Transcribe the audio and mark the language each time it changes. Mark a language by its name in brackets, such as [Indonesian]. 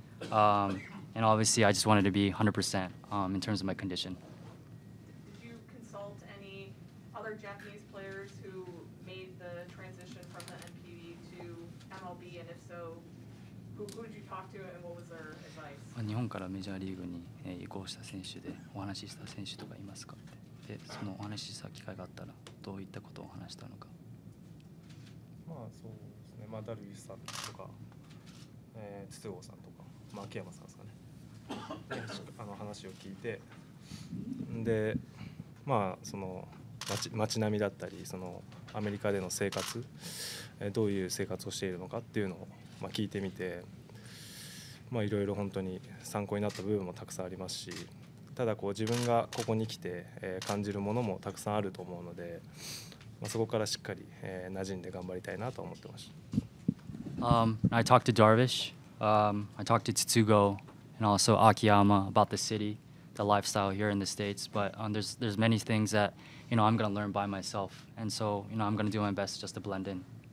[English] And obviously, I just wanted to be 100% in terms of my condition. Did you consult any other Japanese players who made the transition from the NPB to MLB? And if so, who did you talk to and what was their advice? [Japanese] 日本からメジャーリーグに移行した選手でお話しした選手とかいますかって。で、そのお話しした機会があったらどういったことを話したのか。まあそうですね。まあダルビッシュさんとか、筒香さんとか、まあ、秋山さんですかね。あの話を聞いて、で、まあその町並みだったり、そのアメリカでの生活、どういう生活をしているのかっていうのを、まあ、聞いてみて。まあ、いろいろ本当に参考になった部分もたくさんありますし、ただこう自分がここに来て感じるものもたくさんあると思うので、まあ、そこからしっかり馴染んで頑張りたいなと思ってました。 [English] I talked to Darvish, I talked to Tsutsugo, and also Akiyama about the city, the lifestyle here in the States, but there's many things that, you know, I'm going to learn by myself, and so, you know, I'm going to do my best just to blend in.